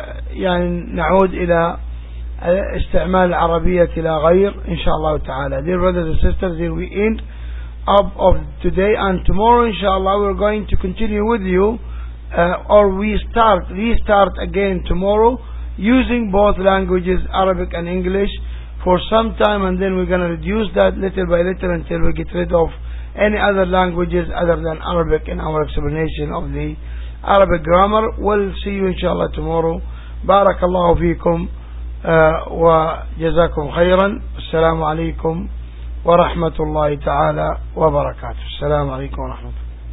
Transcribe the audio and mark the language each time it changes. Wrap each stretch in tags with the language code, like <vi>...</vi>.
<ar>يعني نعود إلى استعمال العربية إلى غير إن شاء الله تعالى.</ar> <en>Dear brothers and sisters, here we end up of today and tomorrow. إن شاء الله we're going to continue with you, or we start restart again tomorrow using both languages Arabic and English for some time, and then we're going to reduce that little by little until we get rid of any other languages other than Arabic in our explanation of the Arabic grammar. We'll see you إن شاء الله tomorrow.</en> <ar>بارك الله فيكم وجزاكم خيرا السلام عليكم ورحمة الله تعالى وبركاته السلام عليكم ورحمة الله</ar>